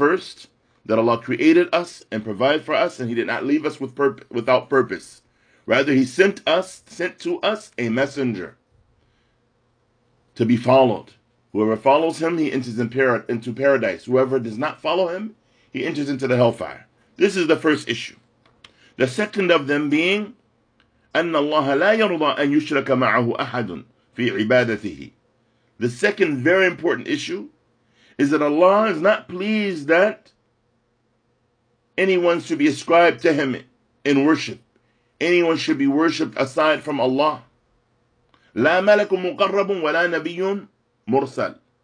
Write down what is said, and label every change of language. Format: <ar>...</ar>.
<en>First, that Allah created us and provided for us, and he did not leave us without purpose. Rather, he sent to us a messenger to be followed. Whoever follows him, he enters into paradise. Whoever does not follow him, he enters into the hellfire. This is the first issue. The second of them being,</en> <ar>أَنَّ اللَّهَ لَا يَرْضَى أَن يُشْرَكَ مَعَهُ أَحَدٌ فِي عِبَادَتِهِ.</ar> <en>The second very important issue is that Allah is not pleased that anyone should be ascribed to him in worship. Anyone should be worshipped aside from Allah.</en> <ar>لَا مَلَكٌ مُقَرَّبٌ وَلَا نَبِيٌّ مُرْسَلٌ.</ar>